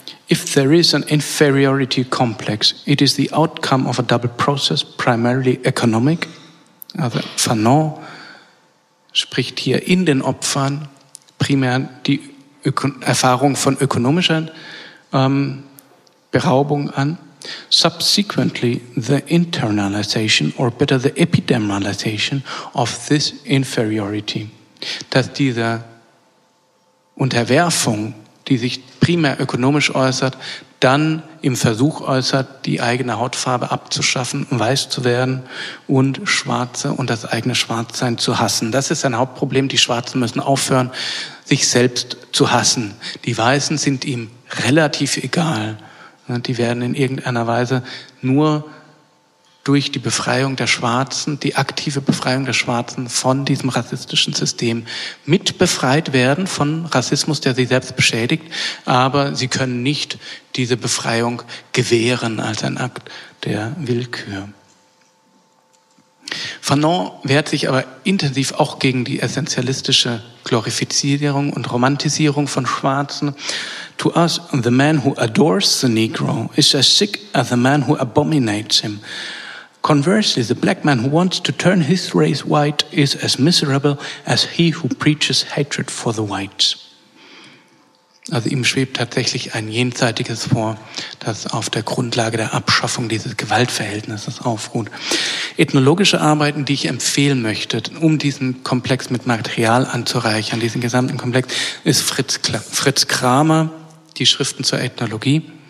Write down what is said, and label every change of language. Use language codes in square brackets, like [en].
[en] If there is an inferiority complex, it is the outcome of a double process, primarily economic. [de] Also Fanon spricht hier in den Opfern primär die Erfahrung von ökonomischer Beraubung an. [en] Subsequently, the internalization or better the epidemialization of this inferiority. [de] Dass diese Unterwerfung, die sich primär ökonomisch äußert, dann im Versuch äußert, die eigene Hautfarbe abzuschaffen, weiß zu werden und Schwarze und das eigene Schwarzsein zu hassen. Das ist ein Hauptproblem. Die Schwarzen müssen aufhören, sich selbst zu hassen. Die Weißen sind ihm relativ egal. Die werden in irgendeiner Weise nur durch die Befreiung der Schwarzen, die aktive Befreiung der Schwarzen von diesem rassistischen System mitbefreit werden von Rassismus, der sie selbst beschädigt. Aber sie können nicht diese Befreiung gewähren als ein Akt der Willkür. Fanon wehrt sich aber intensiv auch gegen die essentialistische Glorifizierung und Romantisierung von Schwarzen. [en] To us, the man who adores the Negro is as sick as the man who abominates him. Conversely, the black man who wants to turn his race white is as miserable as he who preaches hatred for the whites. [de] Also ihm schwebt tatsächlich ein Jenseitiges vor, das auf der Grundlage der Abschaffung dieses Gewaltverhältnisses aufruht. Ethnologische Arbeiten, die ich empfehlen möchte, um diesen Komplex mit Material anzureichern, diesen gesamten Komplex, ist Fritz Kramer, die Schriften zur Ethnologie.